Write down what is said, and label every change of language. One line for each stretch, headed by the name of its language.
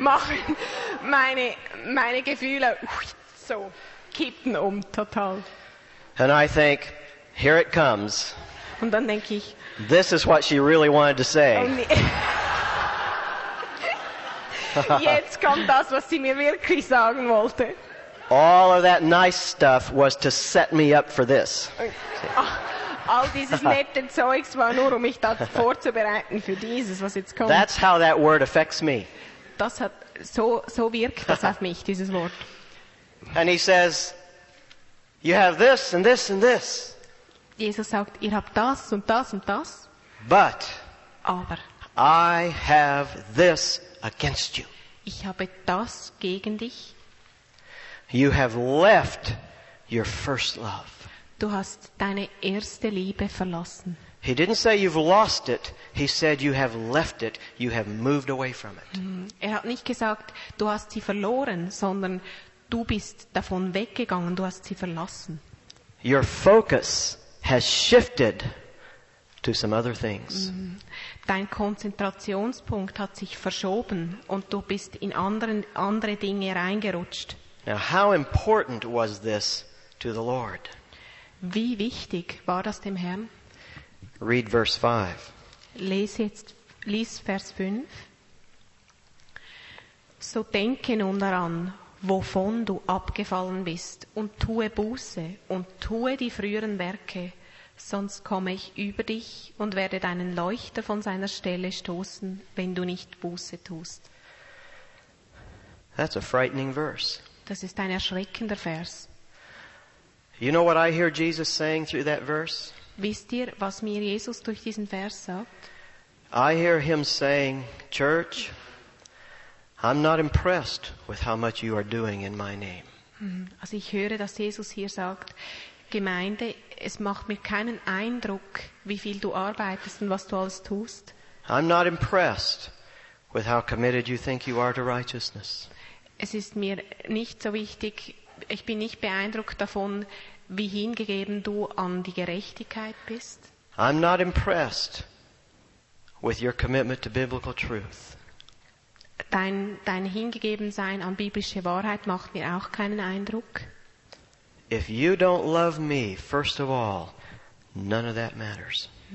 German: Machen meine Gefühle so kippen total.
English: And I think, here it comes.
German: Und dann denke ich,
English: this is what she really wanted to say.
German: Jetzt kommt das, was sie mir wirklich sagen wollte.
English: All of that nice stuff was to set me up for this.
German: All dieses nette Zeugs war nur, um mich da vorzubereiten für dieses, was jetzt kommt.
English: That's how that word affects me.
German: Das hat so wirkt das auf mich, dieses Wort.
English: And he says, "You have this and this and this."
German: Jesus sagt, ihr habt das und das und das.
English: But.
German: Aber.
English: I have this against you.
German: Ich habe das gegen dich.
English: You have left your first love.
German: Du hast deine erste Liebe verlassen.
English: He didn't say you've lost it. He said you have left it. You have moved away from it.
German: Er hat nicht gesagt, du hast sie verloren, sondern du bist davon weggegangen. Du hast sie verlassen.
English: Your focus has shifted to some other things.
German: Dein Konzentrationspunkt hat sich verschoben und du bist in andere Dinge reingerutscht.
English: Now, how important was this to the Lord?
German: Wie wichtig war das dem Herrn?
English: Read verse 5.
German: Lies Vers 5. So denke nun daran, wovon du abgefallen bist, und tue Buße und tue die früheren Werke, sonst komme ich über dich und werde deinen Leuchter von seiner Stelle stoßen, wenn du nicht Buße tust.
English: That's a frightening verse.
German: Das ist ein erschreckender Vers.
English: You know what I hear Jesus saying through that verse?
German: Wisst ihr, was mir Jesus durch diesen Vers sagt?
English: I hear him saying, Church, I'm not impressed with how much you are doing in my name.
German: Also ich höre, dass Jesus hier sagt, Gemeinde, es macht mir keinen Eindruck, wie viel du arbeitest und was du alles tust.
English: I'm not impressed with how committed you think you are to righteousness.
German: Es ist mir nicht so wichtig, ich bin nicht beeindruckt davon, wie hingegeben du an die Gerechtigkeit bist.
English: I'm not impressed with your commitment to biblical truth.
German: Dein Hingegebensein an biblische Wahrheit macht mir auch keinen Eindruck.
English: If you don't love me, first of all, none of that matters.